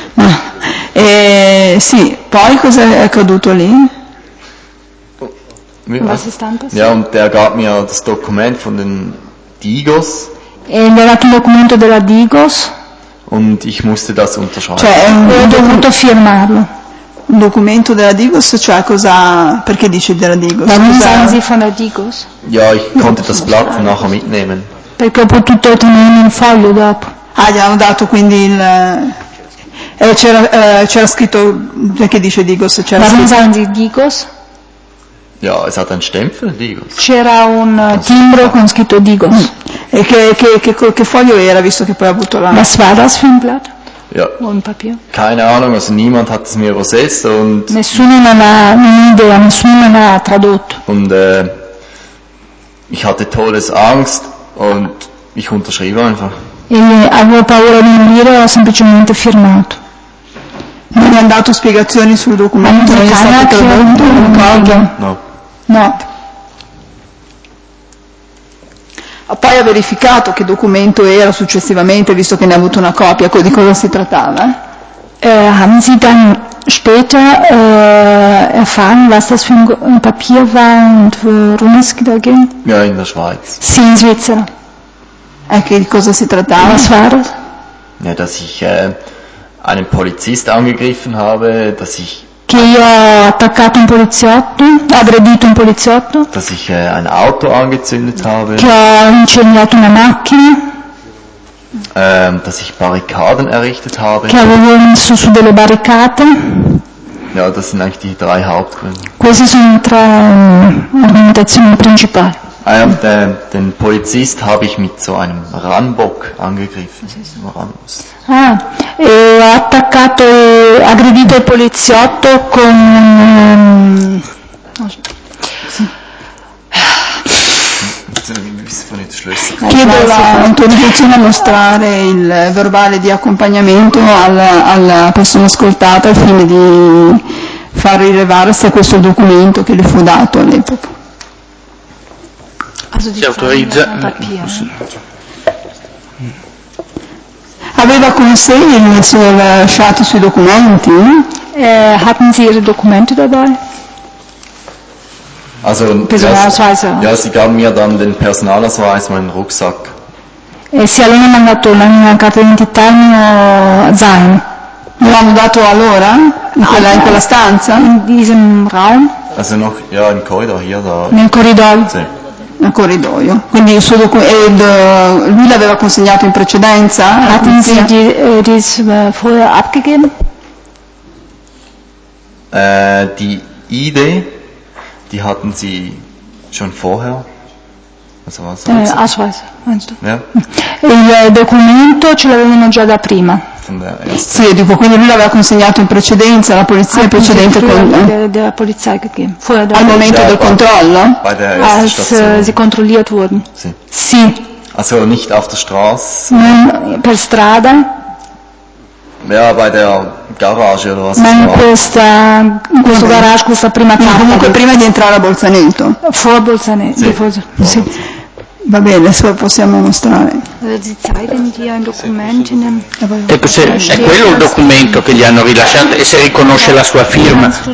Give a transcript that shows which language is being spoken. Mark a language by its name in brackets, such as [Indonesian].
[Italian] Ma, sì, poi cosa è accaduto lì? [German] Ja, und der gab mir das Dokument von den Digos. [Italian] E mi ha dato il documento della Digos. [German] Und ich musste das unterschreiben. [Italian] Cioè, ho dovuto firmarlo. Un documento della Digos, cioè cosa, perché dice della Digos? [German] Warum sagen Sie von der Digos? Ja, ich konnte das Blatt nachher mitnehmen. [Italian] Perché ho potuto tenere un foglio dopo. Ah, gli hanno dato quindi il... c'era scritto, perché dice Digos? [German] Warum sagen Sie Digos? Ja, es hat einen Stempel, Digos. [Italian] C'era un timbro con scritto Digos. E che foglio era, visto che poi ha avuto la... [German] Was war das für ein Blatt? Ja. [Italian] O un papier? [German] Keine Ahnung, also niemand hat es mir übersetzt und... [Italian] Nessuno non ha un'idea, nessuno non ha tradotto. [German] Und ich hatte tolles Angst und ich unterschrieb einfach. [Italian] E avevo paura di morire e ho semplicemente firmato. Non hanno dato spiegazioni sul documento, non è stato tradotto, non ricordo. No. Poi ha verificato che documento era successivamente, visto che ne ha avuto una copia, di cosa si trattava? [German] Haben Sie dann später erfahren, was das für ein Papier war und worum es da ging? Ja, in der Schweiz. [Italian] Sì, in Svizzera. Ecco, di cosa si trattava? [German] Was war das? Ja, dass ich einen Polizist angegriffen habe, dass ich... [Italian] Che io ho attaccato un poliziotto, aggredito un poliziotto. [German] Dass ich ein Auto angezündet habe. [Italian] Che ho incendiato una macchina. [German] Dass ich Barrikaden errichtet habe. [Italian] Che avevo messo su delle barricate. [German] Ja, das sind eigentlich die drei Hauptgründe. [Italian] Queste sono le tre argomentazioni principali. [German] Und den Polizist habe ich mit so einem Rambock angegriffen. [Italian] Ho attaccato, aggredito il poliziotto con chiedo l'autorizzazione a mostrare il verbale di accompagnamento alla persona ascoltata al fine di far rilevare se questo documento che le fu dato all'epoca. Si autorizza. Aveva con sé il suo lasciato sui documenti? [German] Hatten Sie Ihre Dokumente dabei? Also, ja, sie gab mir dann den Personalausweis, meinen Rucksack. [Italian] E si è lei mandato la mia carta d'identità, il mio zaino. Mi hanno dato allora? In quella stanza? [German] In diesem Raum? Also noch, ja, im Corridor, hier da. [Italian] Nel corridoio? Sì. Nel corridoio. Quindi il suo lui l'aveva consegnato in precedenza? [German] Hatten Sie dies vorher abgegeben? Die Idee, die hatten Sie schon vorher? Was war das? Ausweis, meinst du? Ja. [Italian] Il documento ce l'avevano già da prima. Sì, dico, quindi lui l'aveva consegnato in precedenza alla polizia, ah, in precedente della polizia che fuori al momento del controllo, [German] als sie kontrolliert wurden. [Italian] Sì. [German] Also nicht auf der Straße. Nein, [Italian] per strada. [German] Ja, bei der Garage oder was. Nein, [Italian] questo garage, questa prima casa. Comunque prima di entrare a Bolzaneto. [German] Vor Bolzaneto. [Italian] Sì. Sì. Va bene, adesso possiamo mostrare. Ecco, se è quello il documento che gli hanno rilasciato e se riconosce la sua firma.